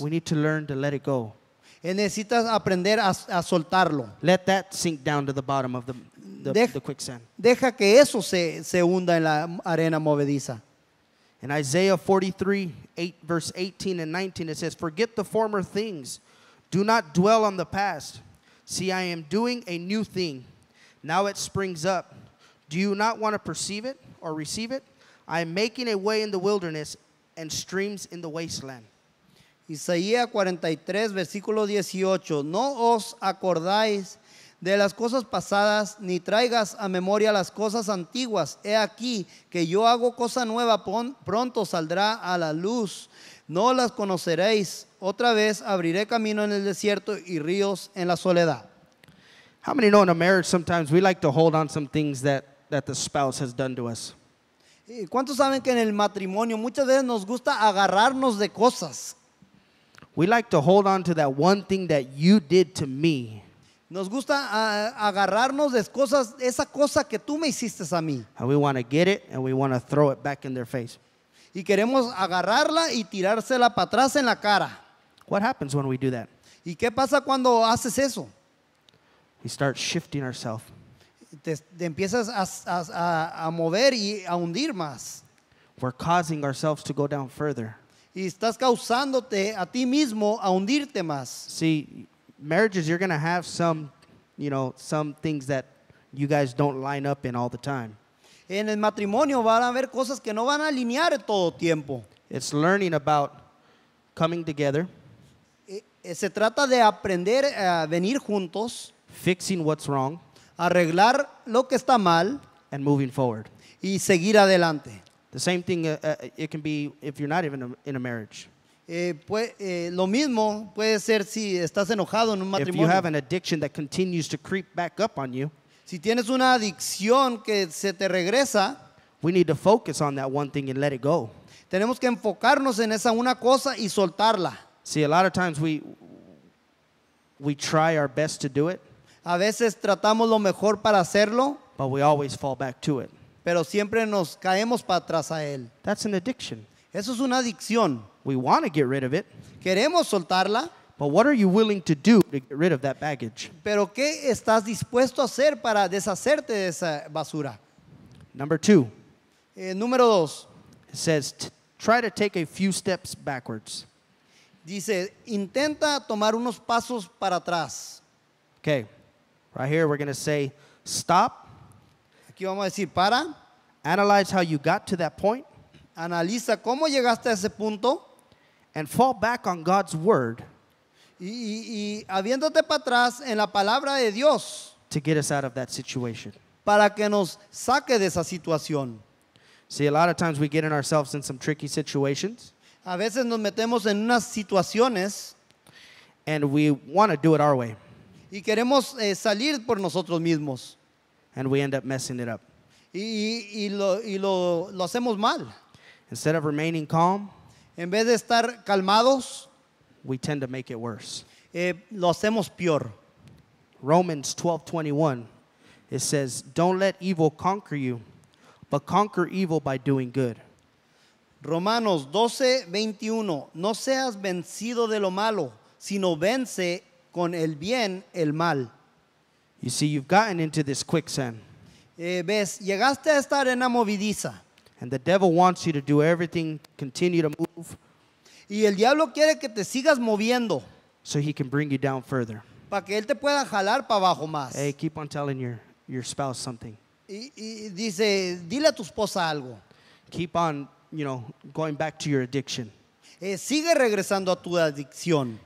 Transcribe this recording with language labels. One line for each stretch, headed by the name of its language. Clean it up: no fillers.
English: We need to learn to let it go.
Spanish: Necesitas aprender a soltarlo.
English: Let that sink down to the bottom of the quicksand.
Spanish: Deja que eso se hunda en la arena movediza.
English: In Isaiah 43:8, verse 18 and 19, it says, forget the former things. Do not dwell on the past. See, I am doing a new thing. Now it springs up. Do you not want to perceive it or receive it? I am making a way in the wilderness and streams in the wasteland.
Spanish: Isaías 43, versículo 18. No os acordáis de las cosas pasadas, ni traigas a memoria las cosas antiguas. He aquí que yo hago cosa nueva, pronto saldrá a la luz. No las conoceréis. Otra vez abriré camino en el desierto y ríos en la soledad.
English: How many know in a marriage sometimes we like to hold on some things that the spouse has done to us?
Spanish: ¿Cuántos saben que en el matrimonio muchas veces nos gusta agarrarnos de cosas?
English: We like to hold on to that one thing that you did to me.
Spanish: Nos gusta agarrarnos de cosas, esa cosa que tú me hiciste a mí.
English: And we want to get it and we want to throw it back in their face.
Spanish: Y queremos agarrarla y tirársela para atrás en la cara.
English: What happens when we do that?
Spanish: ¿Y qué pasa cuando haces eso?
English: We start shifting ourselves.
Spanish: Te empiezas a mover y a hundir más.
English: We're causing ourselves to go down further.
Spanish: Y estás causándote a ti mismo a hundirte más.
English: See, marriages, you're going to have some, you know, some things that you guys don't line up in all the time.
Spanish: En el matrimonio van a haber cosas que no van a alinear todo tiempo.
English: It's learning about coming together.
Spanish: Se trata de aprender a venir juntos.
English: Fixing what's wrong.
Spanish: Arreglar lo que está mal.
English: And moving forward.
Spanish: Y seguir adelante.
English: The same thing it can be if you're not even in a marriage.
Spanish: Lo mismo puede ser si estás enojado en un matrimonio.
English: If you have an addiction that continues to creep back up on you.
Spanish: Si tienes una adicción que se te regresa,
English: we need to focus on that one thing and let it go.
Spanish: Tenemos que enfocarnos en esa una cosa y soltarla.
English: See, a lot of times we try our best to do it.
Spanish: A veces tratamos lo mejor para hacerlo,
English: but we always fall back to it.
Spanish: Pero siempre nos caemos para atrás a él.
English: That's an addiction.
Spanish: Eso es una adicción.
English: We want to get rid of it.
Spanish: Queremos soltarla.
English: But what are you willing to do to get rid of that baggage?
Spanish: Pero ¿qué estás dispuesto a hacer para deshacerte de esa basura?
English: Number two.
Spanish: Número dos.
English: It says, try to take a few steps backwards.
Spanish: Dice, intenta tomar unos pasos para atrás.
English: Okay. Right here we're going to say, stop.
Spanish: Aquí vamos a decir, para.
English: Analyze how you got to that point.
Spanish: Analiza cómo llegaste a ese punto.
English: And fall back on God's word.
Spanish: Y habiéndote para atrás en la palabra de Dios.
English: To get us out of that situation.
Spanish: Para que nos saque de esa situación.
English: See, a lot of times we get in ourselves in some tricky situations.
Spanish: A veces nos metemos en unas situaciones.
English: And we want to do it our way.
Spanish: Y queremos salir por nosotros mismos.
English: And we end up messing it up.
Spanish: Y lo hacemos mal.
English: Instead of remaining calm.
Spanish: En vez de estar calmados.
English: We tend to make it worse.
Spanish: Lo hacemos peor.
English: Romans 12:21, it says, don't let evil conquer you, but conquer evil by doing good.
Spanish: Romanos 12:21, no seas vencido de lo malo, sino vence con el bien el mal.
English: You see, you've gotten into this quicksand.
Spanish: Ves, llegaste a esta arena movidiza.
English: And the devil wants you to do everything, continue to move.
Spanish: Y el diablo quiere que te sigas moviendo.
English: So he can bring you down further.
Spanish: Para que él te pueda jalar para abajo más.
English: Hey, keep on telling your spouse something.
Spanish: Y dice, dile a tu esposa algo.
English: Keep on, you know, going back to your addiction.
Spanish: Sigue regresando a tu adicción.